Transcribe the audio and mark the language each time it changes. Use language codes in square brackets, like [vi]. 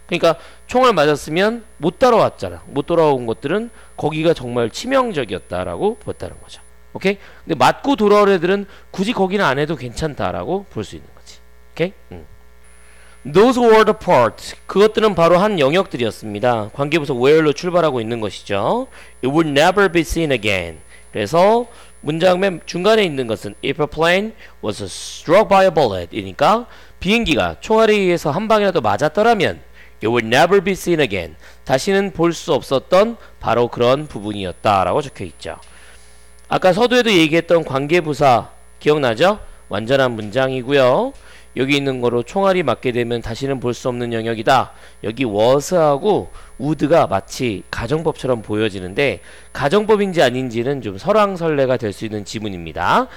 [ko] 그러니까 총알 맞았으면 못 따라왔잖아. 못 돌아온 것들은 거기가 정말 치명적이었다 라고 보였다는 거죠. 오케이? 근데 맞고 돌아올 애들은 굳이 거기는 안 해도 괜찮다 라고 볼 수 있는 거지. [en] 오케이? Those were the parts. [ko] 그것들은 바로 한 영역들이었습니다. 관계부서 where로 출발하고 있는 것이죠. [en] It would never be seen again. [ko] 그래서 문장 맨 중간에 있는 것은 [en] If a plane was struck by a bullet [ko] 이니까 비행기가 총알에 의해서 한 방이라도 맞았더라면 [en] It would never be seen again. [ko] 다시는 볼 수 없었던 바로 그런 부분이었다 라고 적혀 있죠. 아까 서두에도 얘기했던 관계부사 기억나죠? 완전한 문장이고요. 여기 있는 거로 총알이 맞게 되면 다시는 볼 수 없는 영역이다. 여기 was하고 would가 마치 가정법처럼 보여지는데 가정법인지 아닌지는 좀 설왕설래가 될 수 있는 지문입니다.